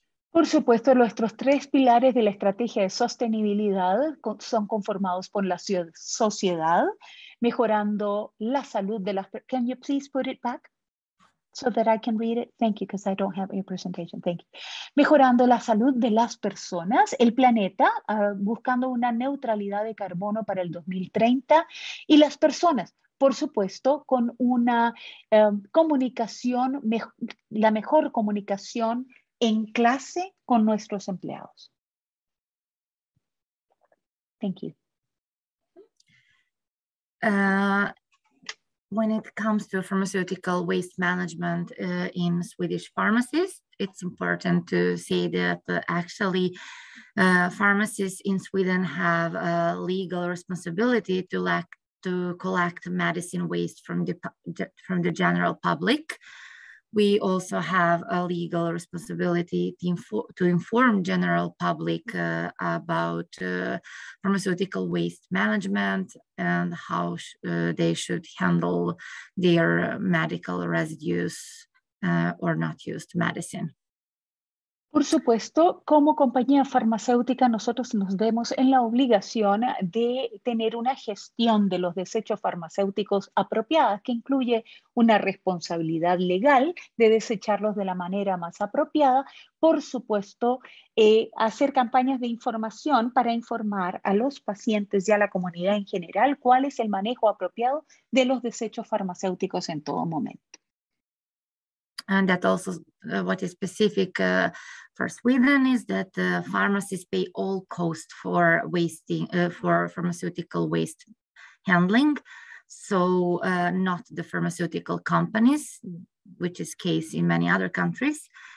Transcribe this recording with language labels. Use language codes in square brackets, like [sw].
[es] Por supuesto, nuestros tres pilares de la estrategia de sostenibilidad son conformados por la sociedad, mejorando la salud de las personas. [en] Can you please put it back so that I can read it? Thank you, because I don't have your presentation. Thank you. [es] Mejorando la salud de las personas, el planeta, buscando una neutralidad de carbono para el 2030, y las personas, por supuesto, con una comunicación, la mejor comunicación en clase con nuestros empleados. [en] Thank you. When it comes to pharmaceutical waste management in Swedish pharmacies, it's important to say that actually pharmacies in Sweden have a legal responsibility to collect medicine waste from the general public. We also have a legal responsibility to inform general public about pharmaceutical waste management and how they should handle their medical residues or not used medicine. [es] Por supuesto, como compañía farmacéutica, nosotros nos vemos en la obligación de tener una gestión de los desechos farmacéuticos apropiada, que incluye una responsabilidad legal de desecharlos de la manera más apropiada. Por supuesto, hacer campañas de información para informar a los pacientes y a la comunidad en general cuál es el manejo apropiado de los desechos farmacéuticos en todo momento. [en] And that also what is specific for Sweden is that pharmacies pay all costs for wasting for pharmaceutical waste handling. So not the pharmaceutical companies, which is case in many other countries.